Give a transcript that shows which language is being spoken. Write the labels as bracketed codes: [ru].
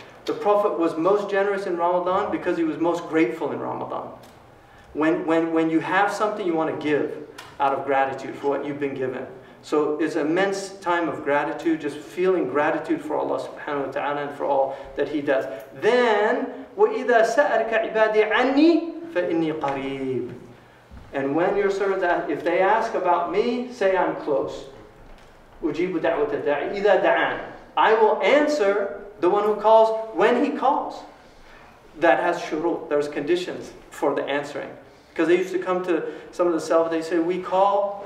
[en] The Prophet was most generous in Ramadan because he was most grateful in Ramadan. When you have something, you want to give out of gratitude for what you've been given. So it's an immense time of gratitude, just feeling gratitude for Allah subhanahu wa ta'ala and for all that He does. [ar] Then, وَإِذَا سَأَلْكَ عِبَادِي عَنِّي فَإِنِّي قَرِيبٌ. [en] And when your servants ask, if they ask about me, say I'm close. [ar] أُجِيبُ دَعْوَةَ الدَّاعِ إِذَا دَعَانِ. [en] I will answer the one who calls when he calls. That has shurut. There's conditions for the answering. Because they used to come to some of the Salaf, they say, we call.